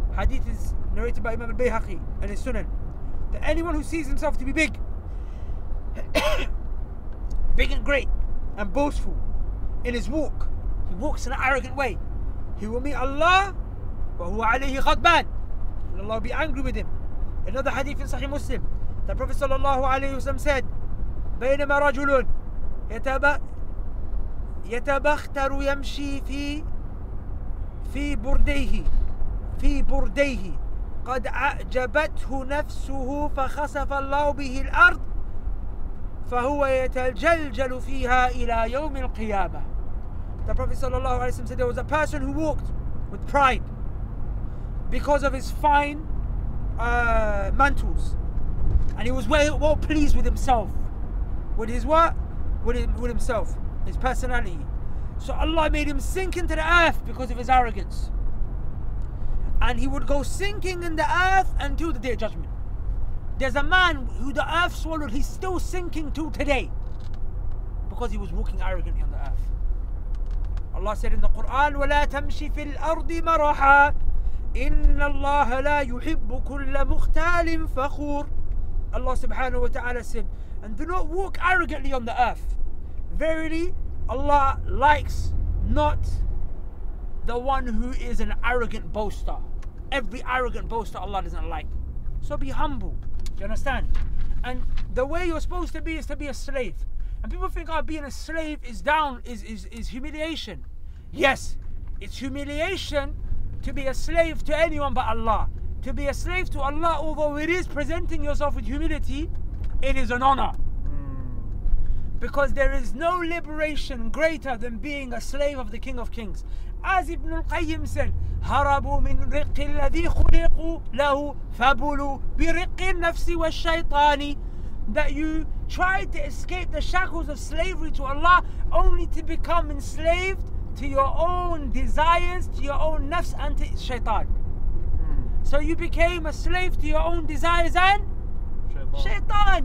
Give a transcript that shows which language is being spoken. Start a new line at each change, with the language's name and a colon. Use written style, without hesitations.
English: Hadith is narrated by Imam al-Bayhaqi and his Sunan. That anyone who sees himself to be big, big and great, and boastful, in his walk, he walks in an arrogant way. He will meet Allah, but who alayhi ghadban, and Allah will be angry with him. Another hadith in Sahih Muslim, the Prophet sallallahu alayhi wasallam said,
Arabic: بينما رجل يتبختر يمشي في برديه قد أعجبته نفسه فخسف الله به الأرض فهو يتجلجل فيها إلى يوم القيامة.
English: The Prophet sallallahu alaihi wasallam said there was a person who walked with pride because of his fine mantles, and he was well pleased with himself, with his what? With himself, his personality. So Allah made him sink into the earth because of his arrogance, and he would go sinking in the earth until the day of judgment. There's a man who the earth swallowed, he's still sinking to today because he was walking arrogantly on the earth.
Arabic: Allah said in the Quran, وَلَا تَمْشِي فِي الْأَرْضِ مَرَحًا إن الله لا يحب كل مختال فخور.
English: Allah subhanahu wa ta'ala said, and do not walk arrogantly on the earth. Verily, Allah likes not the one who is an arrogant boaster. Every arrogant boaster Allah doesn't like. So be humble, do you understand? And the way you're supposed to be is to be a slave. And people think, oh, being a slave is down, is humiliation. Yes, it's humiliation to be a slave to anyone but Allah. To be a slave to Allah, although it is presenting yourself with humility, it is an honor. Because there is no liberation greater than being a slave of the King of Kings. As Ibn al-Qayyim said,
Arabic: هربوا من رق الذي خلقوا له فبلوا برق النفس والشيطان.
English: That you tried to escape the shackles of slavery to Allah only to become enslaved to your own desires, to your own nafs and to shaitan. So you became a slave to your own desires and shaitan.